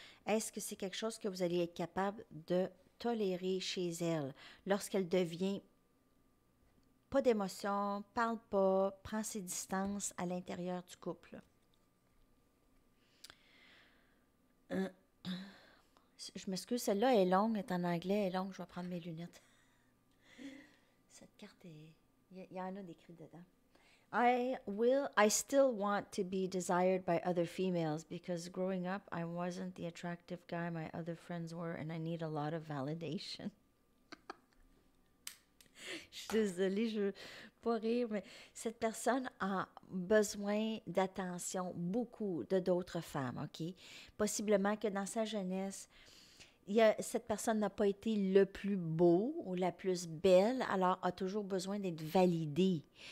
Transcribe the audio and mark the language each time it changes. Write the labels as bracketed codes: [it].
[fr] Est-ce que c'est quelque chose que vous allez être capable de tolérer chez elle, lorsqu'elle devient pas d'émotion, parle pas, prend ses distances à l'intérieur du couple. Je m'excuse, celle-là est longue, est en anglais, elle est longue, je vais prendre mes lunettes. Cette carte est... Il y en a décrit dedans. [en] I still want to be desired by other females because growing up, I wasn't the attractive guy my other friends were and I need a lot of validation. [fr] Je suis désolée, je ne veux pas rire, mais cette personne a besoin d'attention beaucoup de d'autres femmes, OK? Possiblement que dans sa jeunesse, cette personne n'a pas été le plus beau ou la plus belle, alors a toujours besoin d'être validée.